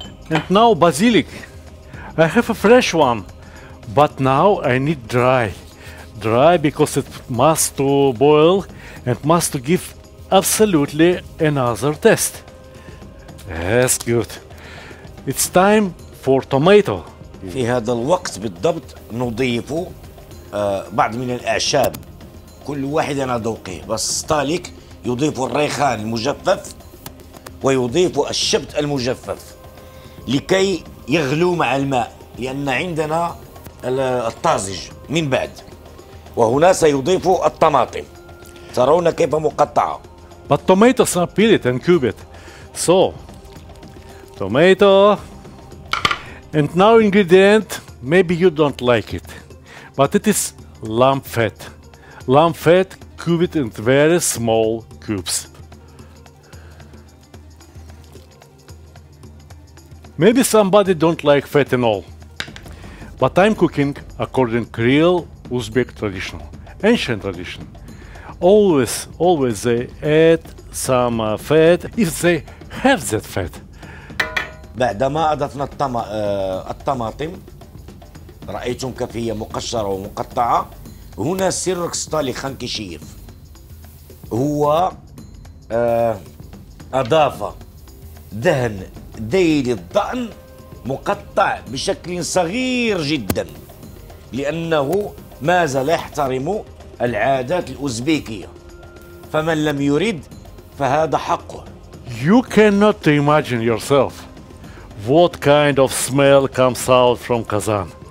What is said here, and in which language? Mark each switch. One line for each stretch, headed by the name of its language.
English: And now basilic. I have a fresh one, but now I need dry. Dry because it must to boil and must to give absolutely another taste. That's good. It's time for tomato.
Arabic: في هذا الوقت بالضبط نضيف بعض من الأعشاب. كل واحد أنا ذوقه. بس طالك يضيف الريحان المجفف ويضيف الشبت المجفف لكي يغلو مع الماء لأن عندنا الطازج من بعد. وهنا سيضيف الطماطم ترون كيف مقطعة.
English: But tomatoes are peeled and cubed. So, tomato. And now ingredient, maybe you don't like it. But it is lamb fat. Lamb fat cubed in very small cubes. Maybe somebody don't like fat at all. But I'm cooking according to real Uzbek tradition, ancient tradition. Always, always they add some fat if they have that fat.
Arabic: بعدما أضفنا الطماطم رأيتم كيف هي مقشرة ومقطعة هنا سر ستالي خنكشيف هو أضاف دهن ديل الضأن مقطع بشكل صغير جدا لأنه ماذا لا يحترم العادات الأوزبكية فمن لم يريد فهذا حقه.
English: You cannot imagine yourself what kind of smell comes out from Kazan.